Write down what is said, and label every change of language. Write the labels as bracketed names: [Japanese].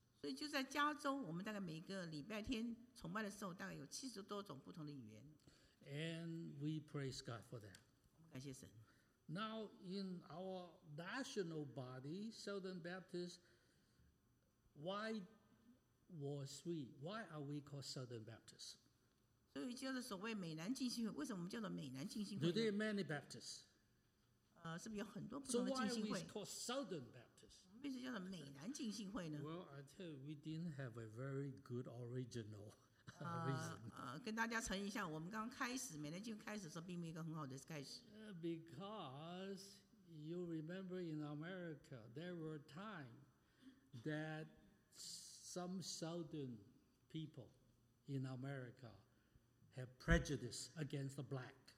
[Chinese] 所以就在加州，我们大概每个礼拜天崇拜的时候，大概有70多种不同的语言。 [English] And we praise God for that. [Chinese] 感谢神。 [English] Now in our national body, Southern Baptist, why was we? Why are we called Southern Baptist? [Chinese] 所以就是所谓美南浸信会，为什么我们叫做美南浸信会？ [English] Do there many Baptists? [Chinese] 是不是有很多不同的浸信会？ [English] So why are we called Southern Baptist? [Chinese] 为什么叫做美南浸信会呢？ [English] Well, I tell you, we didn't have a very good original reason. [Chinese] 跟大家承认一下，我们刚开始美南浸开始的时候，并没有一个很好的开始。 [English] Because you remember in America, there were times that some Southern people in America have prejudice against the black.